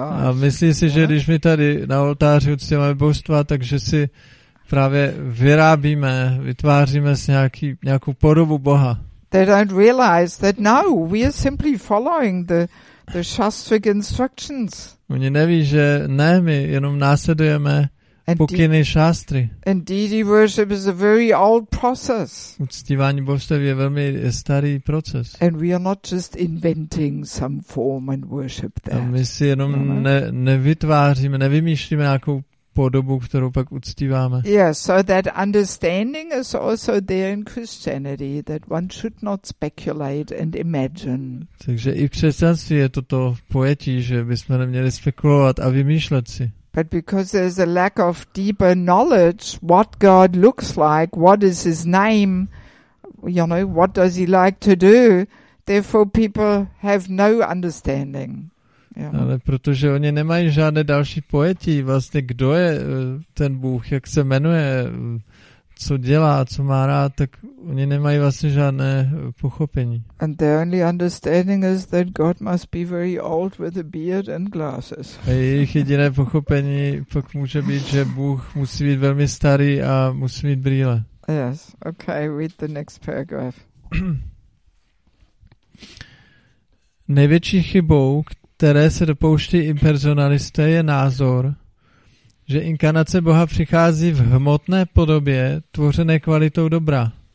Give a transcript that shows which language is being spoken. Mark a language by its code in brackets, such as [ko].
[cs] A myslí si, že když my tady na oltáři uctíváme božstva, takže si právě vyrábíme, vytváříme si nějakou podobu Boha. [en] They don't realize that no, we are simply following the shastric instructions. [cs] Oni neví, že ne, my jenom následujeme pokyny šástry. [en] And deity worship is a very old process. [cs] Uctívání božstev je velmi starý proces. [en] And we are not just inventing some form and worship that. [cs] A my si jenom nevytváříme, nevymýšlíme nějakou podobu, kterou pak uctíváme. [en] Yeah, so that understanding is also there in Christianity that one should not speculate and imagine. [cs] Takže i v křesťanství je toto pojetí, že bychom neměli spekulovat a vymýšlet si. [en] But because there is a lack of deeper knowledge, what God looks like, what is his name, you know, what does he like to do, therefore people have no understanding. Yeah. [cs] Ale protože oni nemají žádné další pojetí, vlastně kdo je ten Bůh, jak se jmenuje, co dělá, co má rád, tak oni nemají vlastně žádné pochopení. [en] And their only understanding is that God must be very old with a beard and glasses. [cs] A jejich jediné pochopení pak může být, že Bůh musí být velmi starý a musí mít brýle. [en] Yes, okay, read the next paragraph. [cs] Největší chybou, které se dopouští impersonalisté, je názor, že inkarnace Boha přichází v hmotné podobě, tvořené kvalitou dobra.